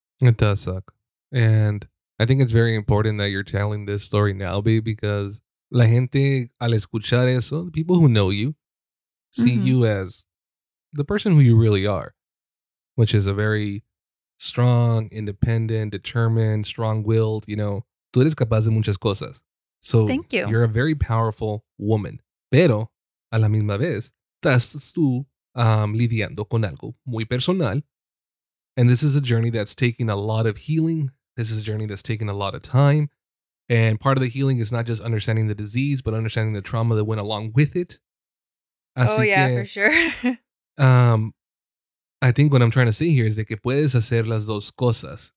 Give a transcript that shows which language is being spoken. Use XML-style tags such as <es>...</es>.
<en>It does suck. And I think it's very important that you're telling this story now, babe, because</en> <es>La gente, al escuchar eso,</es> <en>the people who know you, see mm-hmm. you as the person who you really are, which is a very strong, independent, determined, strong-willed, you know,</en> <es>tú eres capaz de muchas cosas.</es> <en>So thank you. You're a very powerful woman,</en> <es>pero a la misma vez, estás tú lidiando con algo muy personal.</es> <en>And this is a journey that's taking a lot of healing. This is a journey that's taking a lot of time. And part of the healing is not just understanding the disease, but understanding the trauma that went along with it. Así oh, yeah, que, for sure. I think what I'm trying to say here is that</en> <es>que puedes hacer las dos cosas.</es>